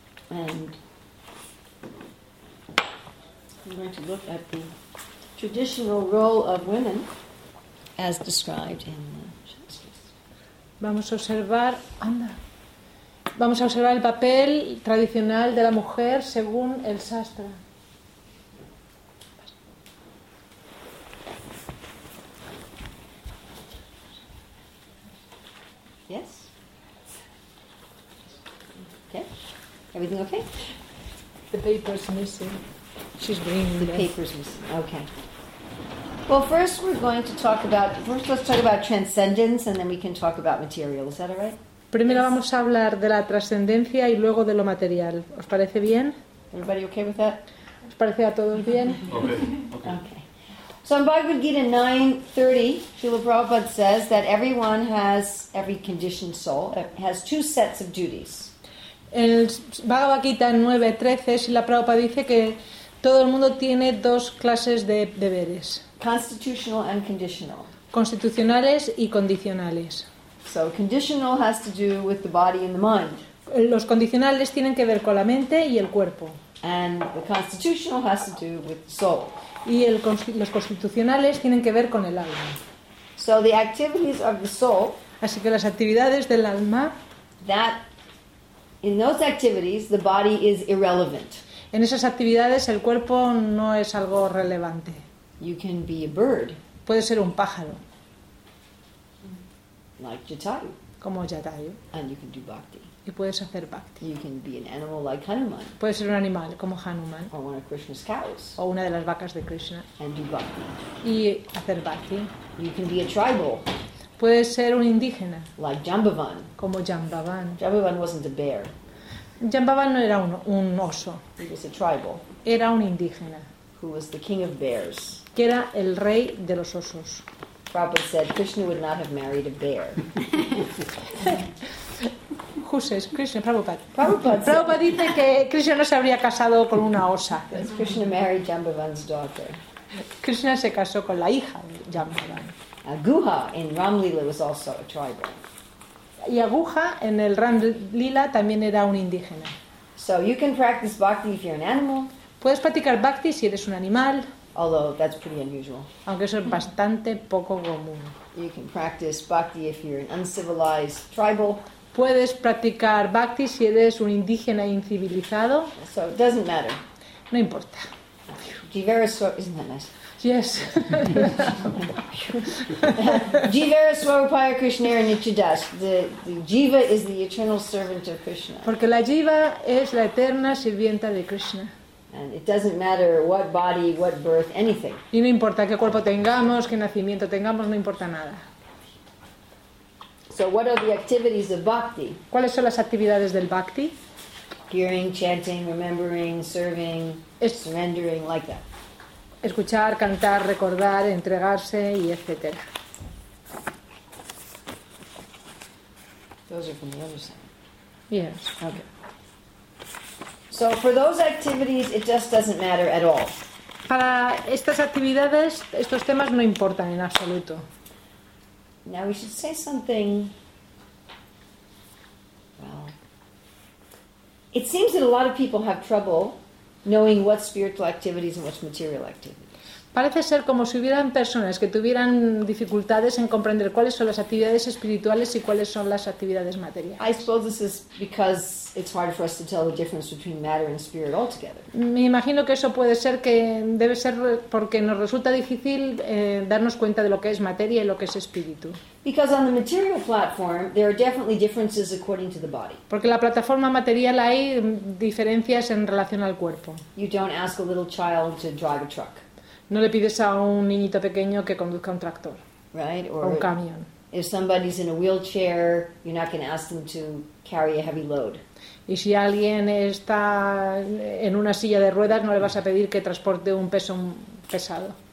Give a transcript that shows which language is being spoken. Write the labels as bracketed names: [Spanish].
[English] And we're going to look at the traditional role of women as described in. [Spanish] Vamos a observar el papel tradicional de la mujer según el Shastra. [English] Yes. Okay. Everything okay? The paper's missing. She's bringing the papers missing. Okay. Well, first we're going to talk about, first let's talk about transcendence and then we can talk about material. Is that all right? [Spanish] Primero vamos a hablar de la trascendencia y luego de lo material. ¿Os parece bien? [English] Everybody okay with that? [Spanish] ¿Os parece a todos bien? [English] Okay. So in Bhagavad Gita 9:30, Srila Prabhupada says that everyone has, every conditioned soul, has two sets of duties. [Spanish] En Bhagavad Gita 9:13, Srila Prabhupada dice que todo el mundo tiene dos clases de deberes. [English] Constitutional and conditional. [Spanish] Constitucionales y condicionales. [English] So conditional has to do with the body and the mind. [Spanish] Los condicionales tienen que ver con la mente y el cuerpo. [English] And the constitutional has to do with the soul. [Spanish] Y los constitucionales tienen que ver con el alma. [English] So the activities of the soul. [Spanish] Así que las actividades del alma. [English] That in those activities the body is irrelevant. [Spanish] En esas actividades el cuerpo no es algo relevante. [English] You can be a bird. [Spanish] Puede ser un pájaro. [English] Like Jatayu. [Spanish] Como Jatayu. [English] And you can do bhakti. [Spanish] Y puedes hacer bhakti. [English] You can be an animal like Hanuman. [Spanish] Puede ser un animal como Hanuman. [English] Or one of Krishna's cows. [Spanish] O una de las vacas de Krishna. [English] And do bhakti. [Spanish] Y hacer bhakti. [English] You can be a tribal. [Spanish] Puede ser un indígena. [English] Like Jambavan. [Spanish] Como Jambavan. [English] Jambavan wasn't a bear. [Spanish] Jambavan no era un oso. [English] He was a tribal. [Spanish] Era un indígena. [English] Who was the king of bears? [Spanish] Que era el rey de los osos. [English] Prabhupada said Krishna would not have married a bear. Who says Krishna? Prabhupada [Spanish] dice que Krishna no se habría casado con una osa. [English] Krishna married Jambavan's daughter. [Spanish] Krishna se casó con la hija de Jambavan. [English] Aguha in Ramlila was also a tribal. [Spanish] Y Aguha en el Ramlila también era un indígena. [English] So you can practice bhakti if you're an animal. [Spanish] Puedes practicar bhakti si eres un animal. [English] Although that's pretty unusual. [Spanish] Aunque eso es bastante poco común. [English] You can practice bhakti if you're an uncivilized tribal. [Spanish] Puedes practicar bhakti si eres un indígena incivilizado. [English] So it doesn't matter. [Spanish] No importa. [English] Jivaraswara, isn't that nice? Yes. [Sanskrit] Jivara Swarupaya Krishna Nityadas. [English] The jiva is the eternal servant of Krishna. [Spanish] Porque la jiva es la eterna sirvienta de Krishna. [English] And it doesn't matter what body, what birth, anything. [Spanish] Y no importa qué cuerpo tengamos, qué nacimiento tengamos, no importa nada. [English] So what are the activities of bhakti? [Spanish] ¿Cuáles son las actividades del bhakti? [English] Hearing, chanting, remembering, serving, surrendering, like that. [Spanish] Escuchar, cantar, recordar, entregarse y etcétera. [English] Those are from the other side. Yes. Okay. So for those activities, it just doesn't matter at all. [Spanish] Para estas actividades, estos temas no importan en absoluto. [English] Now we should say something. Well, it seems that a lot of people have trouble knowing what spiritual activities and what material activities. [Spanish] Parece ser como si hubieran personas que tuvieran dificultades en comprender cuáles son las actividades espirituales y cuáles son las actividades materiales. [English] I suppose this is because it's hard for us to tell the difference between matter and spirit altogether. [Spanish] Me imagino que eso puede ser que debe ser porque nos resulta difícil darnos cuenta de lo que es materia y lo que es espíritu. [English] Because on the material platform there are definitely differences according to the body. [Spanish] Porque la plataforma material hay diferencias en relación al cuerpo. [English] You don't ask a little child to drive a truck. [Spanish] No le pides a un niñito pequeño que conduzca un tractor, [English] right? [Spanish] Or un camión. [English] If somebody's in a wheelchair, you're not going to ask them to carry a heavy load. [Spanish] Y si alguien está en una silla de ruedas, no le vas a pedir que transporte un peso pesado.